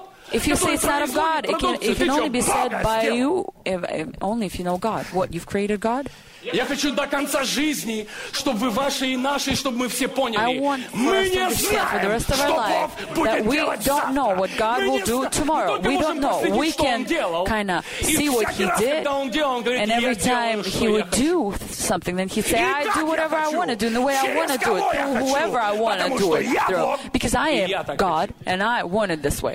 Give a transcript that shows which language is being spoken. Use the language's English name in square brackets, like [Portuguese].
[English] If you say it's not of God, it can only be said by you, only if you know God. What, you've created God? [Russian] Я хочу до конца жизни, чтобы вы ваши и наши, чтобы мы все поняли. Мы не знаем, что Бог будет делать завтра. [English] We don't know what God will do tomorrow. We don't know. We can kind of see what he did. And every time he would do something, then he'd say, I do whatever I want to do in the way I want to do it, through whoever I want to do it through. Because I am God, and I want it this way.